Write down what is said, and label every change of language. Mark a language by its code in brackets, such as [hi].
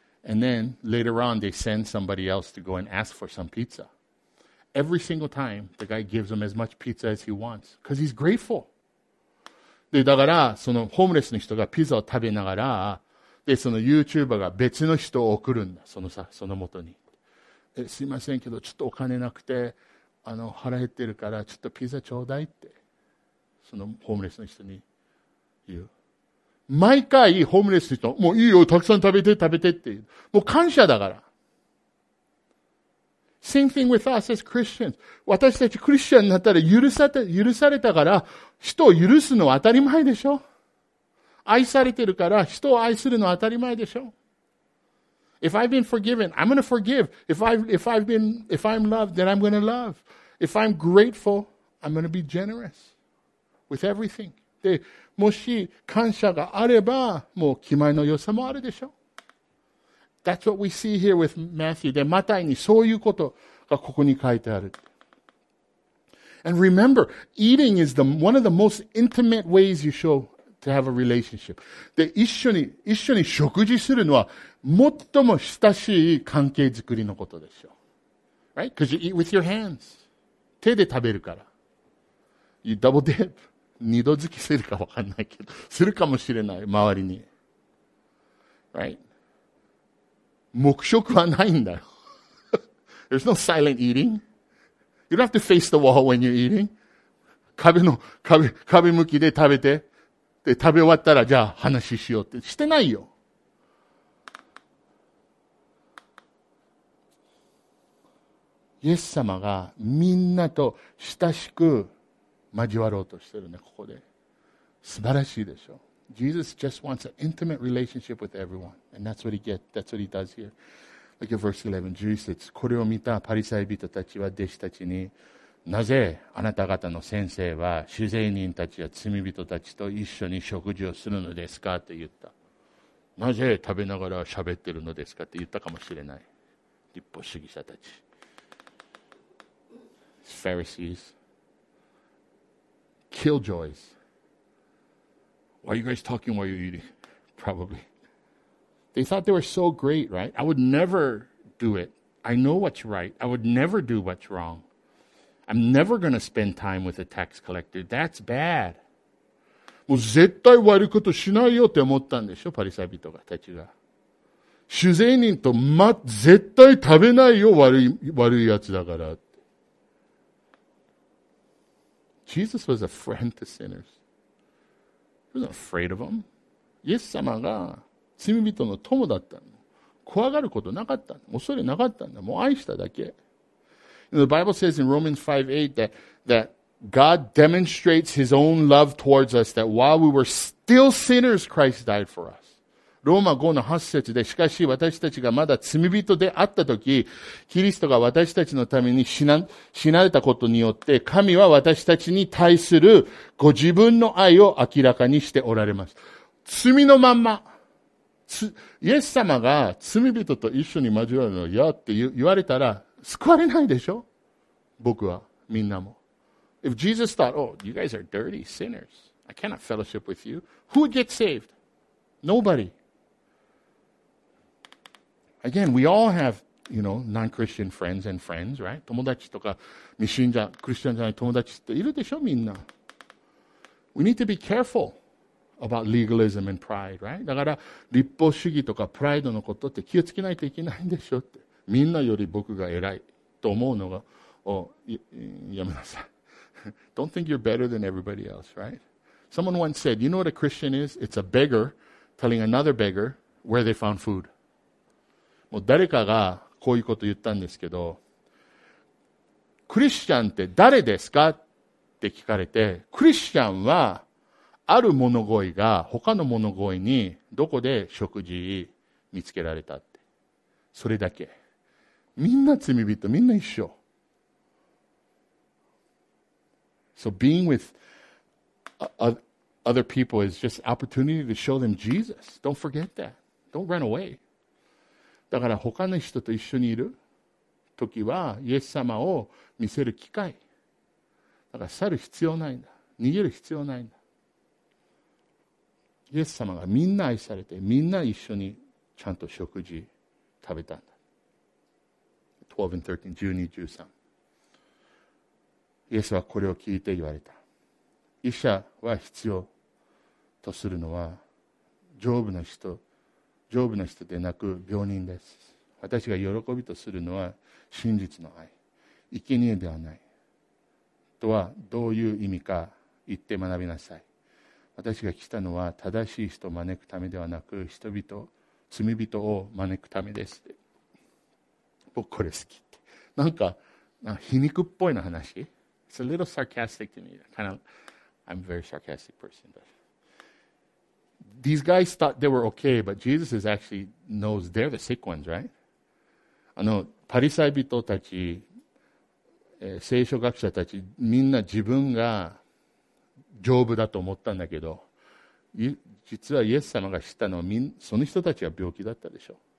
[en] And then later on, they send somebody else to go and ask for some pizza. Every single time, the guy gives him as much pizza as he wants because he's grateful. [ja] で、だから、そのホームレスの人がピザを食べながら、で、その YouTuber が別の人を送るんだ、そのさ、その元に。え、すいませんけど、ちょっとお金なくて、腹減ってるから、ちょっとピザちょうだいって、そのホームレスの人に言う。毎回ホームレスの人、もういいよ、たくさん食べて、食べてって。もう感謝だから。 [en] Same thing with us as Christians. [ja] 私たちクリスチャンになったら許されたから、人を許すのは当たり前でしょ。愛されてるから、人を愛するのは当たり前でしょ。 [en] If I've been forgiven, I'm gonna forgive. If I'm loved, then I'm gonna love. If I'm grateful, I'm gonna be generous with everything. [ja] で、もし感謝があれば、もう気前の良さもあるでしょ。 [en] That's what we see here with Matthew. [ja] で、マタイにそういうことがここに書いてある。 [en] And remember, eating is one of the most intimate ways you show to have a relationship. [ja] で、一緒に食事するのは最も親しい関係づくりのことでしょう。 [en] Right? Because you eat with your hands. [ja] 手で食べるから。 [en] You double dip. [ja] 二度付きするか分かんないけど、するかもしれない、周りに。 [en] Right? [ja] 黙食はないんだよ。 [en] There's no silent eating. You don't have to face the wall when you're eating. [ja] 壁向きで食べて、で、食べ終わったらじゃあ話しようってしてないよ。イエス様がみんなと親しく交わろうとしてるね、ここで。素晴らしいでしょ。 [en] Jesus just wants an intimate relationship with everyone. And that's what he gets, that's what he does here. Look at verse 11, [ja] 11節。これを見たパリサイ人たちは弟子たちに、なぜあなた方の先生は主税人たちや罪人たちと一緒に食事をするのですかと言った。なぜ食べながら喋ってるのですかって言ったかもしれない。立法主義者たち。 [en] Pharisees, killjoys. Why are you guys talking while you're eating? Probably. They thought they were so great, right? I would never do it. I know what's right. I would never do what's wrong. I'm never going to spend time with a tax collector. That's bad. [ja] もう絶対悪いことしないよって思ったんでしょ、パリサイ人たちが。主税人と絶対食べないよ、悪いやつだから。 [en] Jesus was a friend to sinners. He wasn't afraid of them. [ja] イエス様が罪人の友だったの。怖がることなかったの。恐れなかったの。もう愛しただけ。 [en] You know, the Bible says in Romans 5:8 that God demonstrates his own love towards us that while we were still sinners, Christ died for us. [ja] ローマ5の8節で、しかし私たちがまだ罪人であったとき、キリストが私たちのために死なれたことによって、神は私たちに対するご自分の愛を明らかにしておられます。罪のまんま。イエス様が罪人と一緒に交わるのよって言われたら、救われないでしょ？僕は、みんなも。 [en] If Jesus thought, oh, you guys are dirty sinners. I cannot fellowship with you. Who would get saved? Nobody. Again, we all have, you know, non-Christian friends and friends, right? [ja] 友達とか、未信者、クリスチャンじゃない友達っているでしょ、みんな。 [en] We need to be careful about legalism and pride, right? [ja] だから、立法主義とかプライドのことって気をつけないといけないんでしょって。みんなより僕が偉いと思うのが、やめなさい。 [en] Don't think you're better than everybody else, right? Someone once said, you know what a Christian is? It's a beggar telling another beggar where they found food. [ja] もう誰かがこういうこと言ったんですけど、クリスチャンって誰ですかって聞かれて、クリスチャンはある物乞いが他の物乞いにどこで食事見つけられたって。それだけ。みんな罪人、みんな一緒。 [en] So being with other people is just opportunity to show them Jesus. Don't forget that. Don't run away. [ja] だから他の人と一緒にいる時はイエス様を見せる機会。だから去る必要ないんだ。逃げる必要ないんだ。イエス様がみんな愛されてみんな一緒にちゃんと食事食べたんだ。 [en] 12 and 13, 12, 13。 [ja] イエスはこれを聞いて言われた。医者は必要とするのは丈夫な人でなく病人です。私が喜びとするのは真実の愛、生贄ではない。とはどういう意味か言って学びなさい。私が来たのは正しい人を招くためではなく人々、罪人を招くためです。僕これ好きって。なんか皮肉っぽいな話。 [en] It's a little sarcastic to me. I'm a very sarcastic person. But these guys thought they were okay, but Jesus is actually knows they're the sick ones, right? [ja] あの、パリサイ人たち、聖書学者たち、みんな自分が丈夫だと思ったんだけど、実はイエス様が知ったのは、その人たちは病気だったでしょ。